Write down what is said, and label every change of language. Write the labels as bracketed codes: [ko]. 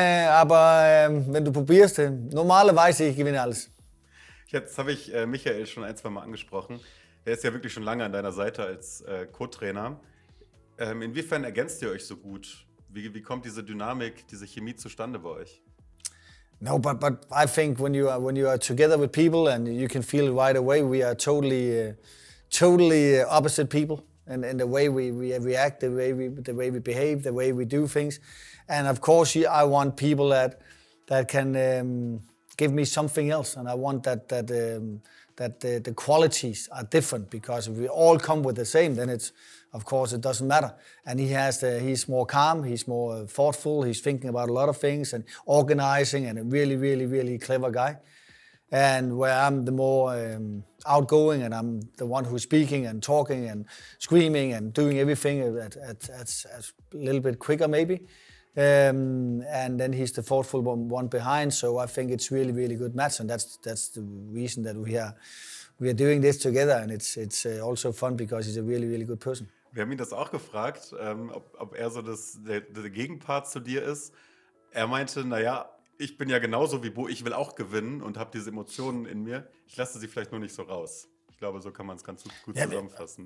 [de] Aber wenn du probierst, normalerweise ich gewinne alles. Jetzt habe ich Michael schon ein, zwei Mal angesprochen. Er ist ja wirklich schon lange an deiner Seite als Co-Trainer. Inwiefern ergänzt ihr euch so gut? Wie kommt diese Dynamik, diese Chemie zustande bei euch? [en] No, but I think when you are together with people and you can feel it right away, we are totally opposite people in the way we react, the way we behave, the way we do things, and of course I want people that can give me something else, and I want that the qualities are different, because if we all come with the same, then it's of course it doesn't matter. And he's more calm, he's more thoughtful, he's thinking about a lot of things and organizing, and a really, really, really clever guy. And where I'm the more outgoing, and I'm the one who's speaking and talking and screaming and doing everything at a little bit quicker maybe. And then he's the thoughtful one behind. So I think it's really, really good match, and that's the reason that we are doing this together, and it's also fun because he's a really, really good person. [de] Wir haben ihn das auch gefragt, ob er so der Gegenpart zu dir ist. Er meinte, naja, ich bin ja genauso wie Bo, ich will auch gewinnen und habe diese Emotionen in mir. Ich lasse sie vielleicht nur nicht so raus. Ich glaube, so kann man es ganz gut zusammenfassen.